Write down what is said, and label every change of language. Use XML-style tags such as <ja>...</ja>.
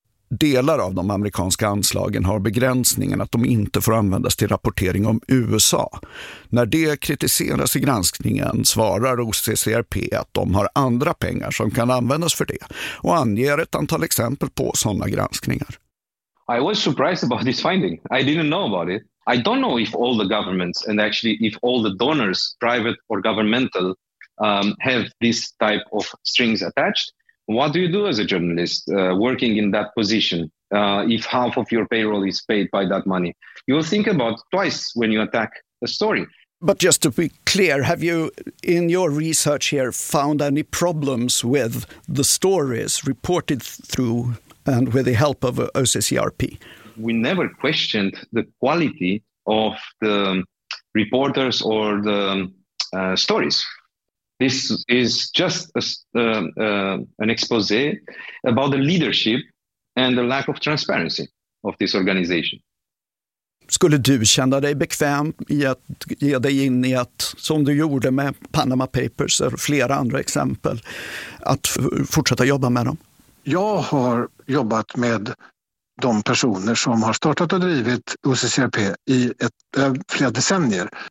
<sv>Delar av de amerikanska anslagen har begränsningen att de inte får användas till rapportering om USA. När det kritiseras i granskningen svarar OCCRP att de har andra pengar som kan användas för det och anger ett antal exempel på sådana granskningar.</sv> <en>I was surprised about this finding. I didn't know about it. I don't know if all the governments and actually if all the donors, private or governmental, have this type of strings attached. What do you do as a journalist working in that position if half of your payroll is paid by that money? You'll think about twice when you attack a story. But just to be clear, have you in your research here found any problems with the stories reported through and with the help of OCCRP? We never questioned the quality of the reporters or the stories. This is just an exposé about the leadership and the lack of transparency of this organization.</en> <sv>Skulle du känna dig bekväm i att ge dig in i att, som du gjorde med Panama Papers eller flera andra exempel, att fortsätta jobba med dem? Jag har jobbat med de personer som har startat och drivit OCCRP i flera decennier.</sv>